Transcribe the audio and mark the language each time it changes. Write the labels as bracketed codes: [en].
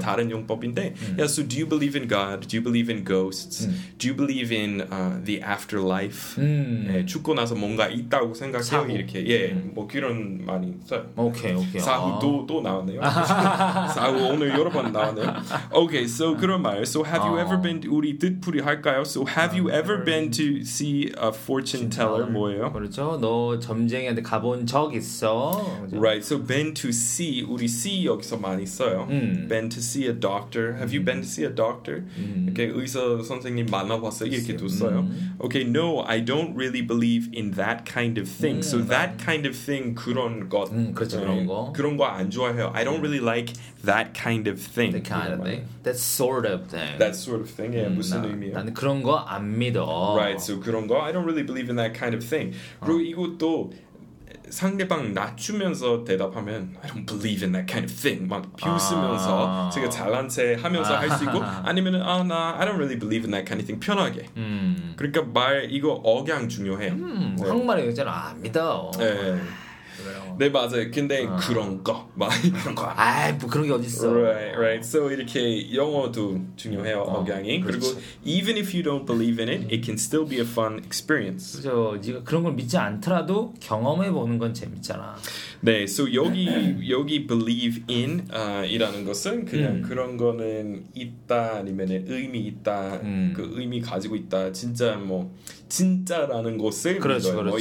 [ko] 다른 용법인데 [en] yeah, so do you believe in God? Do you believe in ghosts? Do you believe in the afterlife? [ko] 네, 죽고 나서 뭔가 있다고 생각해 사후. 이렇게 예, 뭐 그런 많이 써요. 오케이, 오케이. 사후도 또 나왔네요. 사후 오늘 여러 번 나왔네요. [en] Okay, so [ko] 그런 말 [en] So have you ever been [ko] 우리 뜻풀이 할까요? [en] So have you ever been to see a fortune teller? [ko] 뭐예요? 그렇죠. 너 점쟁이한테 가본 적 있어? 그렇죠? [en] Right. So been to see. [ko] 우리 see 여기서 많이 써요. [en] Been to see a doctor. Have you been to see a doctor? Okay. [ko] 의사 선생님 만나봤어? 이렇게도 써요. [en] Okay. No, I don't really believe in that kind of thing. So that kind of thing [ko] 그런 것. 그렇죠. 그런 거. 그런 거 안 좋아해요. [en] I don't really like that kind of thing. That kind of thing. That sort of thing. That sort of thing. [ko] 예, 무슨 의미예요? 나는 그런 거 안 믿어. [en] Right. So [ko] 그런 거. [en] I don't really believe in that kind of thing. [ko] 그리고 이것도 상대방 낮추면서 대답하면 [en] I don't believe in that kind of thing [ko] 막 비웃으면서 아. 제가 잘난 체 하면서 아. 할 수 있고 아니면 아, 나 [en] I don't really believe in that kind of thing [ko] 편하게 그러니까 말 이거 억양 중요해요 네. 한국말에 여자를 안 믿어 네. 네 맞아요. 근데 어. 그런 거, 막 이런 거. 아, 뭐 그런 게 어딨어. [en] Right, right. [ko] So 이렇게 영어도 중요해요. 어, 억양이. [en] 그리고 even if you don't believe in it, it can still be a fun experience. [ko] 그죠. 네가 그런 걸 믿지 않더라도 경험해 보는 건 재밌잖아. 네. So 여기 여기 believe in 이라는 것은 그냥 그런 거는 있다 아니면 의미 있다 그 의미 가지고 있다 진짜 뭐 진짜라는 것을 그렇죠, 믿어요.